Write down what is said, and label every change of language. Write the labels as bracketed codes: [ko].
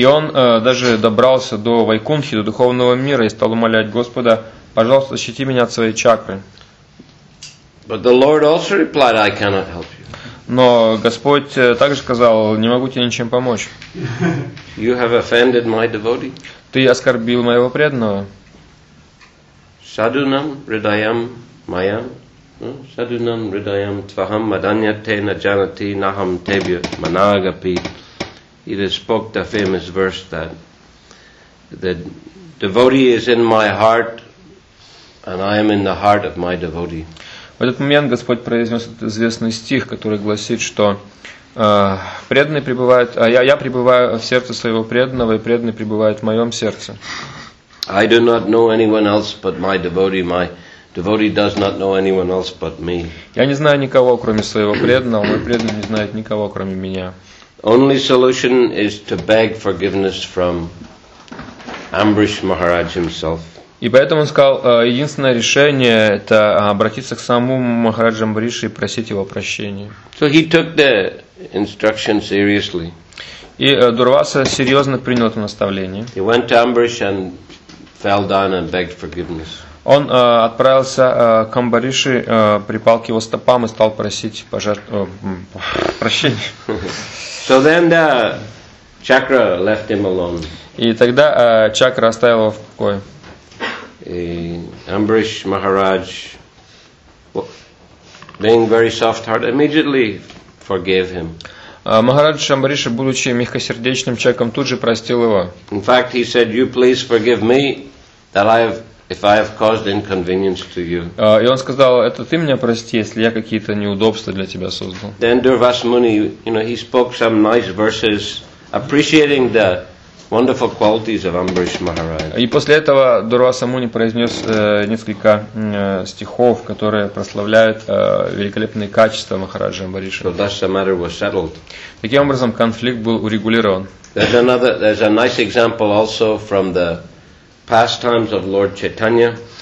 [ru] И он даже добрался до Вайкунхи, до духовного мира, и стал умолять Господа, пожалуйста, защити меня от своей чакры. [en] But the Lord also replied, I cannot help you. [ru] Но Господь также сказал, не могу тебе ничем помочь. [en] You have offended my devotee. [ru] Ты оскорбил моего преданного. [sa] Sadunam ridayam mayam. Sadunam ridayam tvaham madanyate na janati naham tebhya managapi. [en] It is spoke the famous verse that the devotee is in my heart and I am in the heart of my devotee. [ru] В этот момент Господь произнес этот известный стих, который гласит, что преданный пребывает, я пребываю в сердце своего преданного, и преданный пребывает в моем сердце. [en] I do not know anyone else but my devotee, my devotee does not know anyone else but me. [ru] Я не знаю никого, кроме своего преданного, мой преданный не знает никого, кроме меня. [en] Only solution is to beg forgiveness from Ambarish Maharaj himself. [ru] И поэтому он сказал, единственное решение это обратиться к самому Махараджу Амбарише и просить его прощения. [en] So he took the instruction seriously. [ru] И Дурваса серьезно принял это наставление. [en] He went to Ambarish and fell down and begged forgiveness. [ru] Он отправился к Амбарише, припал к его стопам и стал просить прощения. [en] So then the chakra left him alone. [ru] И тогда чакра оставила его в покое. [en] Ambarish Maharaj, being very soft-hearted, immediately forgave him. [ru] Махарадж Амбариша, будучи мягкосердечным человеком, тут же простил его. [en] In fact, he said, "You please forgive me that if I have caused inconvenience to you." [ru] И он сказал, это ты меня прости, если я какие-то неудобства для тебя создал. [en] Then Durvasa Muni, you know, he spoke some nice verses, appreciating the wonderful qualities of Ambarish Maharaj. [ru] И после этого Дурваса Муни произнес несколько стихов, которые прославляют великолепные качества Махараджа Амбариша. [en] So thus the matter was settled. [ru] Таким образом конфликт был урегулирован. [en] There's a nice example also from the pastimes of Lord Chaitanya.